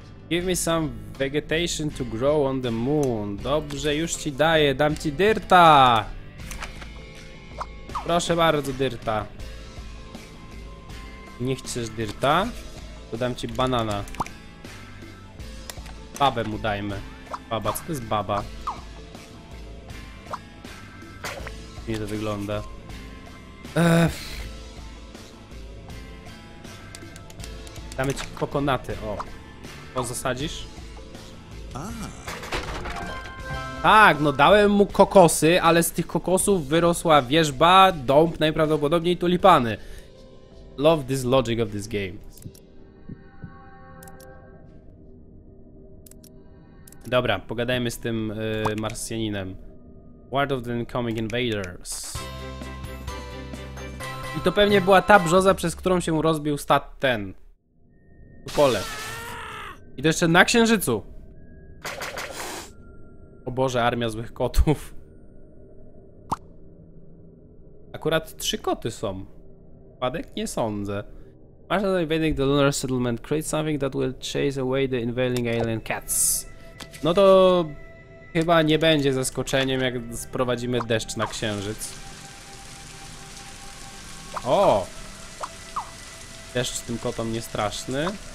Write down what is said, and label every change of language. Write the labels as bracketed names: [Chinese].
[English] Give me some vegetation to grow on the moon. [Polish] Dobrze, już ci daję, dam ci dyrta. Proszę bardzo, dyrta. Nie chcesz dyrta? To dam ci banana. Babę mu dajmy. Baba, co to jest baba? Nie to wygląda. Damy ci kokonaty, o. O, zasadzisz? Tak, no dałem mu kokosy, ale z tych kokosów wyrosła wierzba, dąb najprawdopodobniej tulipany. [English] Love this logic of this game. [Polish] Dobra, pogadajmy z tym marsjaninem. [English] Ward of the incoming invaders. [Polish] I to pewnie była ta brzoza, przez którą się rozbił stat ten. Tu pole. I to jeszcze na księżycu. O Boże, armia złych kotów. Akurat trzy koty są. Wpadek? Nie sądzę. [English] Marshal invading the lunar settlement. Create something that will chase away the invading alien cats. [Polish] No to chyba nie będzie zaskoczeniem, jak sprowadzimy deszcz na księżyc. O! Deszcz tym kotom nie straszny.